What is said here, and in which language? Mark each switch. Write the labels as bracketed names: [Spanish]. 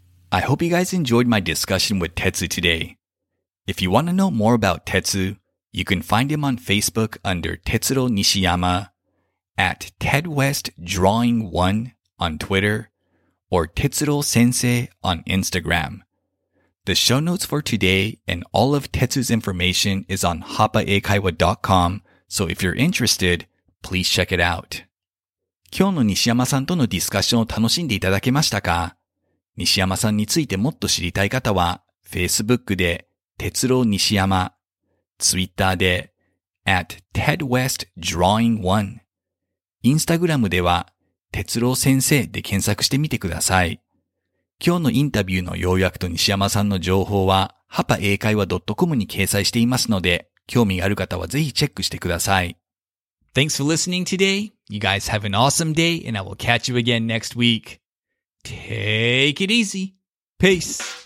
[English] I hope you guys enjoyed my discussion with Tetsu today. If you want to know more about Tetsu, you can find him on Facebook under Tetsuro Nishiyama, at Ted West Drawing One on Twitter, or Tetsuro Sensei on Instagram. The show notes for today and all of Tetsu's information is on hapaekaiwa.com, so if you're interested, please check it out. [Japanese] 今日の西山さんとのディスカッションを楽しんでいただけましたか? 西山さんについてもっと知りたい方は、Facebook で Tetsuro Nishiyama、Twitter で at Ted West Drawing One、Instagram では Tetsuro 先生で検索してみてください。今日のインタビューの要約と西山さんの情報は、ハパ英会話 .com に掲載していますので、興味がある方はぜひチェックしてください。 [English] Thanks for listening today. You guys have an awesome day, and I will catch you again next week. Take it easy. Peace.